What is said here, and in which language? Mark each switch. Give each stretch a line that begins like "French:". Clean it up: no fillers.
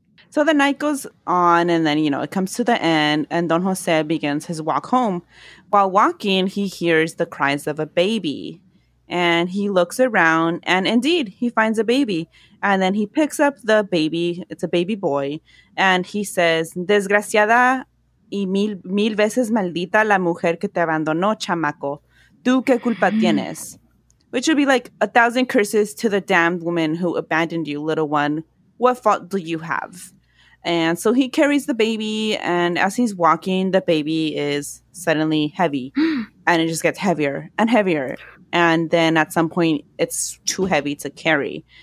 English: So the night goes on and then, you know, it comes to the end and Don Jose begins his walk home. While walking, he hears the cries of a baby and he looks around and indeed he finds a baby. And then he picks up the baby. It's a baby boy. And he says,
Spanish: desgraciada y mil veces maldita la mujer que te abandonó, chamaco. ¿Tú qué culpa tienes?
English: which would be like, 1,000 curses to the damned woman who abandoned you, little one. What fault do you have? And so he carries the baby, and as he's walking, the baby is suddenly heavy, and it just gets heavier and heavier. And then at some point, it's too heavy to carry.